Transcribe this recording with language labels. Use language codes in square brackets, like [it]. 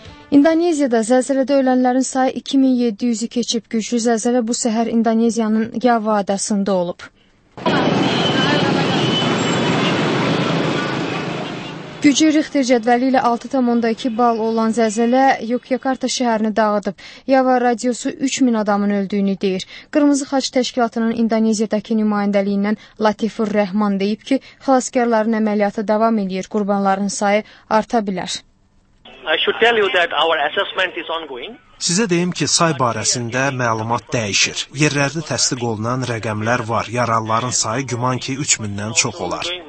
[az] İndoneziyada zəlzələdə ölənlərin sayı 2700-ü keçib, güclü zəlzələ bu səhər İndoneziyanın Yava adasında olub. Gücü Richter cədvəli ilə 6.2 bal olan zəlzələ Yogyakarta şəhərini dağıdıb. Yava radiosu 3000 adamın öldüyünü deyir. Qırmızı xaç təşkilatının İndoneziyadakı nümayəndəliyindən Latifur Rəhman deyib ki, xilaskarların əməliyyatı davam edir, qurbanların sayı arta bilər. [en] I should tell you that our assessment is ongoing. [az] Sizə deyim ki, say barəsində məlumat dəyişir. Yerlərdə təsdiq olunan rəqəmlər var. Yaralıların sayı güman ki, 3000-dən çox olar.